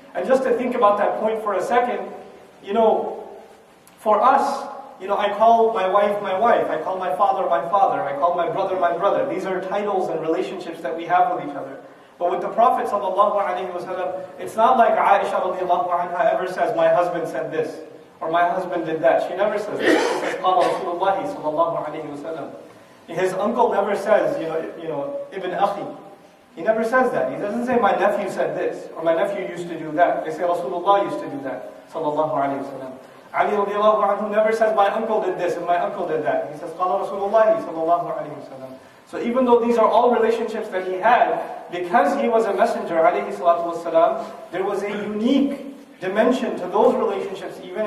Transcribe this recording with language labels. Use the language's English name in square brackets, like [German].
[English] And just to think about that point for a second, you know, for us, you know, I call my wife my wife, I call my father, I call my brother. These are titles and relationships that we have with each other. But with the Prophet ﷺ, it's not like Aisha radiallahu anha ever says, my husband said this, or my husband did that. She never says this. She says, [Arabic] قَالَ رَسُولُ اللَّهِ ﷺ. [English] His uncle never says, you know, [Arabic] Ibn Akhi. [English] He never says that. He doesn't say, my nephew said this, or my nephew used to do that. They say, Rasulullah used to do that, sallallahu alayhi wasallam. Ali radiallahu anhu never says, my uncle did this and my uncle did that. He says, [Arabic] قَالَ رَسُولُ اللَّهِ [English] sallallahu alayhi wasallam. So even though these are all relationships that he had, because he was a messenger, alayhi salatu wasalam, there was a unique dimension to those relationships even.